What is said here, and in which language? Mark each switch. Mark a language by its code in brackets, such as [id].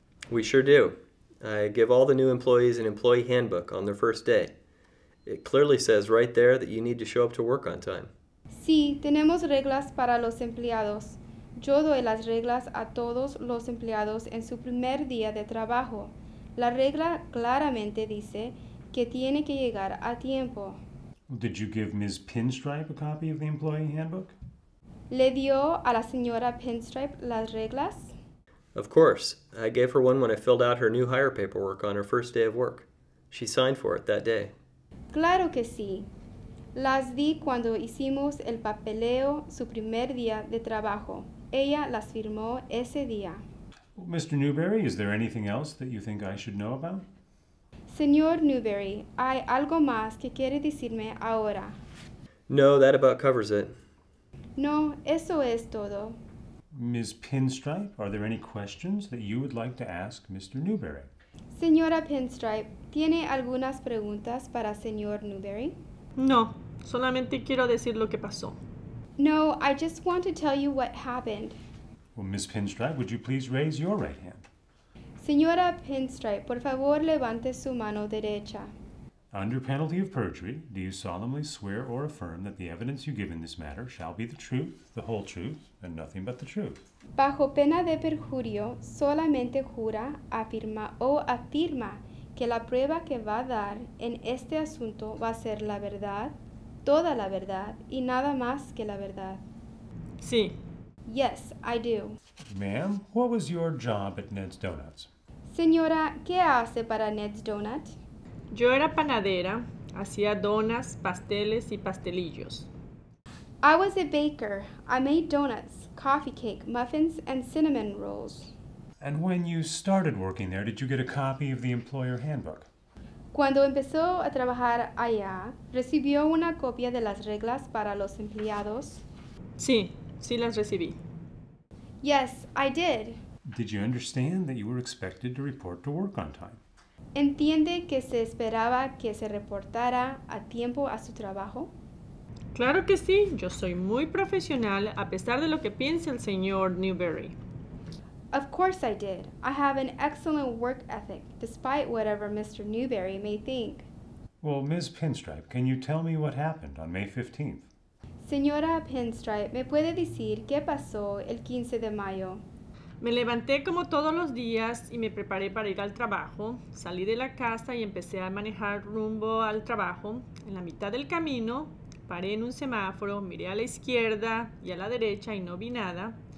[en] We sure do. I give all the new employees an employee handbook on their first day. It clearly says right there that you need to show up to work on time. [es] Sí, tenemos reglas para los empleados. Yo doy las reglas a todos los empleados en su primer día de trabajo. La regla claramente dice que tiene que llegar a tiempo. [en] Did you give Ms. Pinstripe a copy of the employee handbook? [es] ¿Le dio a la señora Pinstripe las reglas? [en] Of course. I gave her one when I filled out her new hire paperwork on her first day of work. She signed for it that day. [es] Claro que sí. Las di cuando hicimos el papeleo su primer día de trabajo. Ella las firmó ese día. [en] Mr. Newberry, is there anything else that you think I should know about? [es] Señor Newberry, ¿hay algo más que quiere decirme ahora? [en] No, that about covers it. [es] No, eso es todo. [en] Ms. Pinstripe, are there any questions that you would like to ask Mr. Newberry? [es] Señora Pinstripe, ¿tiene algunas preguntas para señor Newberry? No, solamente quiero decir lo que pasó. [en] No, I just want to tell you what happened. Well, Ms. Pinstripe, would you please raise your right hand? [es] Señora Pinstripe, por favor levante su mano derecha. [en] Under penalty of perjury, do you solemnly swear or affirm that the evidence you give in this matter shall be the truth, the whole truth, and nothing but the truth? [es] Bajo pena de perjurio, solamente jura, afirma o afirma que la prueba que va a dar en este asunto va a ser la verdad, toda la verdad, y nada más que la verdad. Sí. [en] Yes, I do. Ma'am, what was your job at Ned's Donuts? [es] Señora, ¿qué hace para Ned's Donut? Yo era panadera, hacía donas, pasteles y pastelillos. [en] I was a baker. I made donuts, coffee cake, muffins, and cinnamon rolls. And when you started working there, did you get a copy of the employer handbook? [es] Cuando empezó a trabajar allá, ¿recibió una copia de las reglas para los empleados? Sí, sí las recibí. [en] Yes, I did. Did you understand that you were expected to report to work on time? [es] ¿Entiende que se esperaba que se reportara a tiempo a su trabajo? Claro que sí. Yo soy muy profesional, a pesar de lo que piense el señor Newberry. [en] Of course I did. I have an excellent work ethic, despite whatever Mr. Newberry may think. Well, Ms. Pinstripe, can you tell me what happened on May 15th? [es] Señora Pinstripe, ¿me puede decir qué pasó el 15 de mayo? Me levanté como todos los días y me preparé para ir al trabajo. Salí de la casa y empecé a manejar rumbo al trabajo. En la mitad del camino, paré en un semáforo, miré a la izquierda y a la derecha y no vi nada.